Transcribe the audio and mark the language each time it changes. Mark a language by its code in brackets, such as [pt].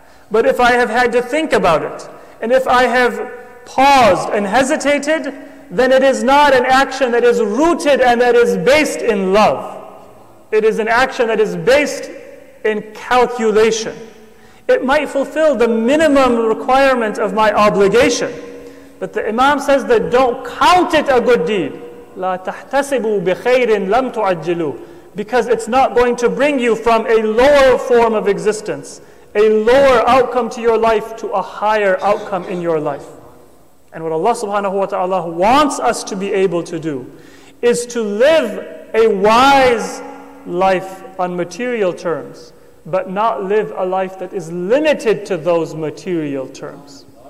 [en] But if I have had to think about it, and if I have paused and hesitated, then it is not an action that is rooted and that is based in love. It is an action that is based in calculation. It might fulfill the minimum requirement of my obligation. But the Imam says that don't count it a good deed. [ar] لا تحتسبوا بخيرٍ لم تعجلوا. [en] Because it's not going to bring you from a lower form of existence, a lower outcome to your life, to a higher outcome in your life. And what Allah subhanahu wa ta'ala wants us to be able to do is to live a wise life on material terms, but not live a life that is limited to those material terms.